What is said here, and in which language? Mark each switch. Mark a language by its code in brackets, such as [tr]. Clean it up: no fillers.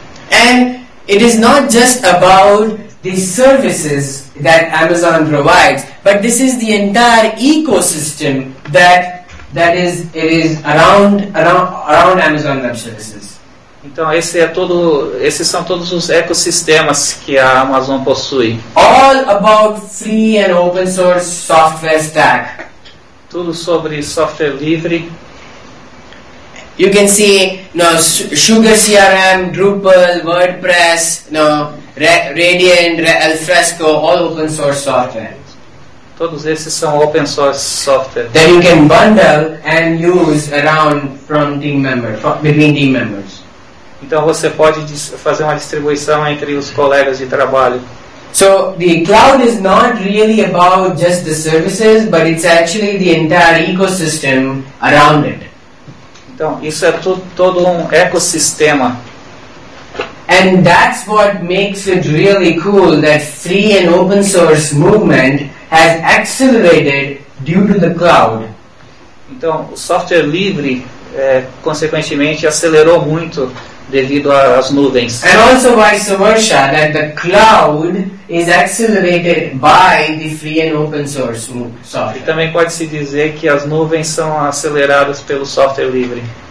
[en] And it is not just about the services that Amazon provides, but this is the entire ecosystem that is around Amazon Web Services. [pt] Então esses são todos os ecossistemas que a Amazon possui. [en] All about free and open source software stack. [pt] Tudo sobre software livre. [en] You can see Sugar CRM, Drupal, WordPress, Radiant, Alfresco, all open source software. [pt] Todos esses são open source software. [en] That you can bundle and use around from team members, between team members. [pt] Então você pode fazer uma distribuição entre os colegas de trabalho. [en] So the cloud is not really about just the services, but it's actually the entire ecosystem around it. [pt] Então isso é todo um ecossistema. [en] And that's what makes it really cool, that free and open source movement has accelerated due to the cloud. [pt] Então, o software livre, consequentemente, acelerou muito devido às nuvens. [en] And also vice versa, that the cloud is accelerated by the free and open source software. [pt] E também pode-se dizer que as nuvens são aceleradas pelo software livre.